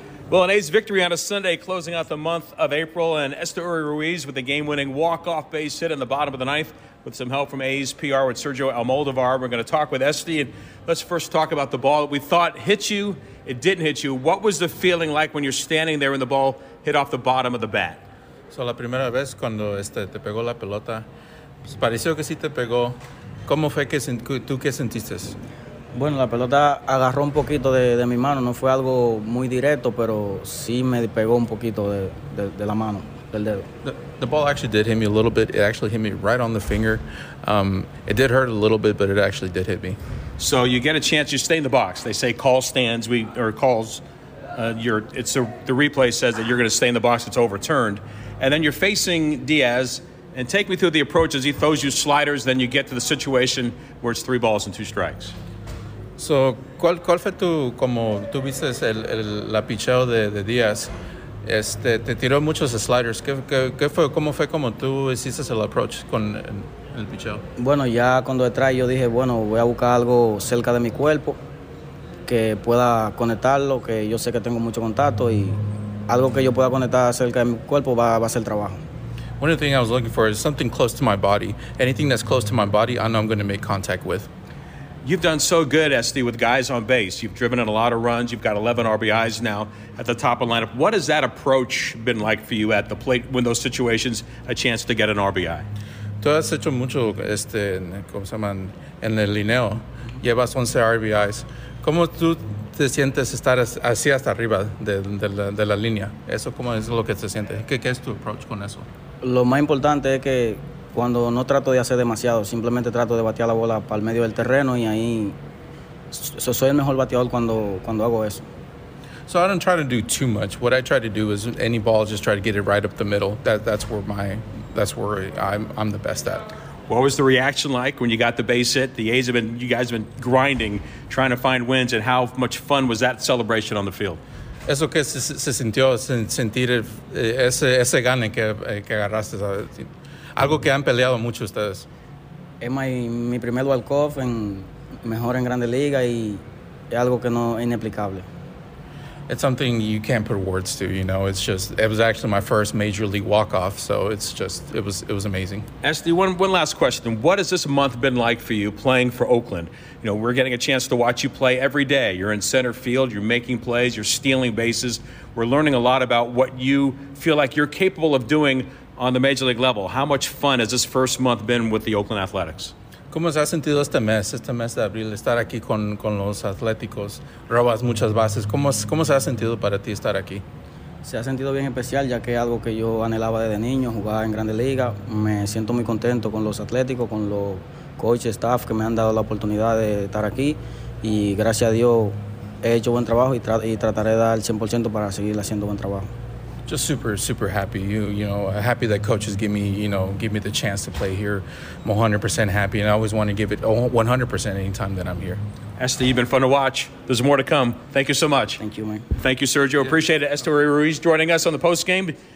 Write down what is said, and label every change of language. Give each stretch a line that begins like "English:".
English: Well, an A's victory on a Sunday, closing out the month of April, and Esteori Ruiz with the game-winning walk-off base hit in the bottom of the ninth. With some help from A's PR with Sergio Almodovar, we're going to talk with Esty. And let's first talk about the ball that we thought hit you. It didn't hit you. What was the feeling like when you're standing there and the ball hit off the bottom of the bat?
Spanish: So la primera vez cuando te pegó la pelota, pareció que sí te pegó. ¿Cómo fue que tú qué sentiste? Bueno, la pelota agarró un poquito de mi mano. No fue algo muy directo, pero sí me pegó un poquito de la mano.
English: The ball actually did hit me a little bit. It actually hit me right on the finger. It did hurt a little bit, but it actually did hit me. So you get a chance. You stay in the box. They say call stands. The replay says that you're going to stay in the box. It's overturned. And then you're facing Diaz. And take me through the approach as he throws you sliders. Then you get to the situation where it's three balls and two strikes.
Spanish: So ¿cuál fue tu, como tú viste la picheo de Diaz? Te tiró muchos sliders. ¿Cómo fue como tú hiciste el approach con el picheo? Bueno, ya cuando detrás yo dije, bueno, voy a buscar algo cerca de mi cuerpo que pueda conectarlo, que yo sé que tengo mucho contacto y algo que yo pueda conectar cerca de mi cuerpo va a ser trabajo.
English: One of the things I was looking for is something close to my body. Anything that's close to my body, I know I'm going to make contact with. You've done so good, Esty, with guys on base. You've driven in a lot of runs. You've got 11 RBIs now at the top of the lineup. What has that approach been like for you at the plate when those situations, a chance to get an RBI?
Spanish: Tú has hecho mucho, ¿cómo se llaman? En el lineo. Llevas 11 RBIs. ¿Cómo tú te sientes estar así hasta arriba de la línea? ¿Eso cómo es lo que se siente? ¿Qué es tu approach con eso? Lo más importante es que cuando no trato de hacer demasiado, simplemente trato de batear la bola para el medio del terreno y ahí soy el mejor bateador cuando hago eso.
English: So I don't try to do too much. What I try to do is any ball, just try to get it right up the middle. That's where I'm the best at. What was the reaction like when you got the base hit? You guys have been grinding, trying to find wins, and how much fun was that celebration on the field?
Spanish: Eso que se sintió, sentir ese gane que agarraste, ¿sabes? Algo que han peleado mucho ustedes. Es mi primer walk-off, mejor en Grandes Ligas, y es algo que no es inexplicable.
English: it's something you can't put words to, you know. It's just, it was actually my first major league walk-off, so it's just, it was amazing. SD, one last question. What has this month been like for you playing for Oakland? You know, we're getting a chance to watch you play every day. You're in center field, you're making plays, you're stealing bases. We're learning a lot about what you feel like you're capable of doing on the major league level. How much fun has this first month been with the Oakland Athletics?
Spanish: ¿Cómo se ha sentido este mes de abril, estar aquí con los Atléticos? Robas muchas bases. ¿Cómo se ha sentido para ti estar aquí? Se ha sentido bien especial, ya que es algo que yo anhelaba desde niño, jugar en Grandes Ligas. Me siento muy contento con los Atléticos, con los coaches, staff, que me han dado la oportunidad de estar aquí. Y gracias a Dios, he hecho buen trabajo y trataré de dar el 100% para seguir haciendo buen trabajo.
English: Just super, super happy. You know, happy that coaches give me the chance to play here. I'm 100% happy, and I always want to give it 100% anytime that I'm here. Esty, you've been fun to watch. There's more to come. Thank you so much. Thank you, man. Thank you, Sergio. Appreciate it. Esty Ruiz joining us on the post game.